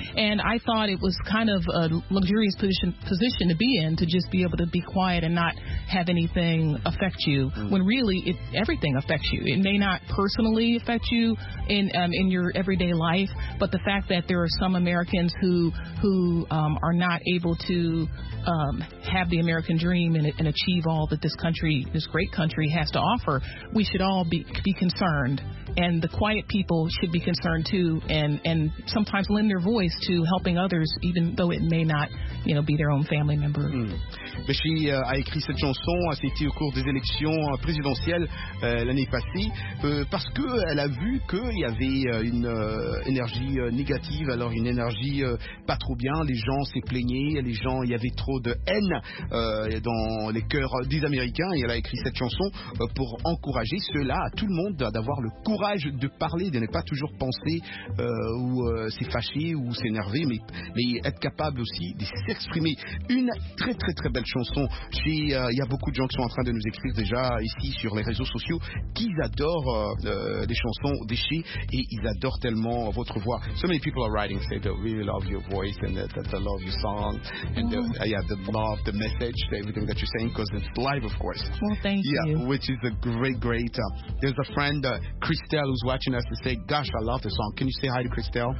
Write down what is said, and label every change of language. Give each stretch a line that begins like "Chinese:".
English: And I thought it was kind of a luxurious position to be in, to just be able to be quiet and not have anything affect you, when really it, everything affects you. It may not personally affect you in your everyday life, but the fact that there are some Americans who are not able to have the American dream and achieve all that this country, this great country, has to offer, we should all be concerned. And the quiet people should be concerned too, and sometimes lend their voice to helping others, even though it may not, you know, be their own family member.
French: Mais she a écrit cette chanson, c'était au cours des élections présidentielles l'année passée, parce que elle a vu qu'il y avait une énergie négative, alors une énergie pas trop bien. Les gens s'est plaignaient, les gens, il y avait trop de haine dans les cœurs des Américains, et elle a écrit cette chanson pour encourager cela à tout le monde d'avoir le courage de parler, de ne pas toujours penser ou s'effacer ou s'énerver, mais être capable aussi de s'exprimer. Une très très très belle chanson. Il y a beaucoup de gens qui sont en train de nous écrire déjà ici sur les réseaux sociaux, qu'ils adorent les chansons d'Ishi et ils adorent tellement votre voix.
English: So many people are writing, say they really love your voice and that they love your song and they love the message, everything that you're saying, because it's live, of course. Well, thank you. Yeah, which is a great, great. There's a friend, Christelle, who's watching us, to say, gosh, I love the song. Can you say hi to Christelle?